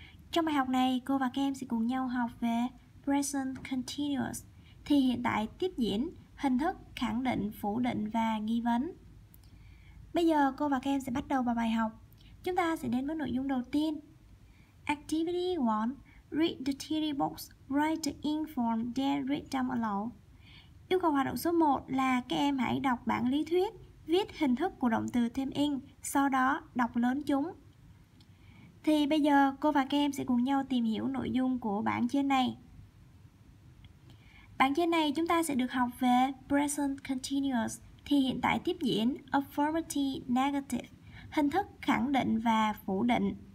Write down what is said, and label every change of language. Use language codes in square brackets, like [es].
[vi] Trong bài học này, cô và các em sẽ cùng nhau học về present continuous, thì hiện tại tiếp diễn, hình thức khẳng định, phủ định và nghi vấn. Bây giờ cô và các em sẽ bắt đầu vào bài học. Chúng ta sẽ đến với nội dung đầu tiên. [en] Activity 1. Read the theory box, write the inform, then read them aloud. [vi] Yêu cầu hoạt động số 1 là các em hãy đọc bản lý thuyết, viết hình thức của động từ thêm ing, sau đó đọc lớn chúng. Thì bây giờ cô và các em sẽ cùng nhau tìm hiểu nội dung của bảng trên này. Bảng trên này chúng ta sẽ được học về present continuous, thì hiện tại tiếp diễn, affirmative, negative, hình thức khẳng định và phủ định.